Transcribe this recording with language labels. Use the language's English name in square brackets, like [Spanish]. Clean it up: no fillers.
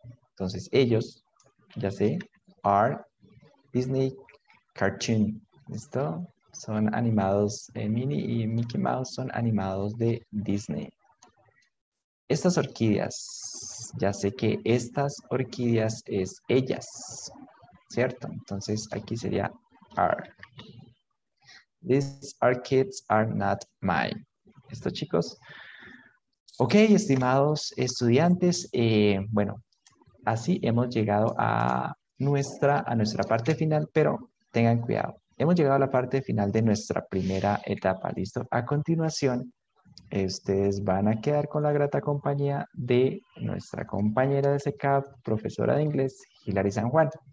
[Spanish] Entonces, ellos, ya sé, [English] are Disney cartoon. [Spanish] ¿Listo? Son animados, Minnie y Mickey Mouse son animados de Disney. Estas orquídeas, ya sé que estas orquídeas es ellas, ¿cierto? Entonces aquí sería are. [English] These orchids are not mine. [Spanish] ¿Listo, chicos? Ok, estimados estudiantes, bueno, así hemos llegado a nuestra parte final, pero tengan cuidado. Hemos llegado a la parte final de nuestra primera etapa, ¿listo? A continuación, ustedes van a quedar con la grata compañía de nuestra compañera de SECAP, profesora de inglés, Hilary San Juan.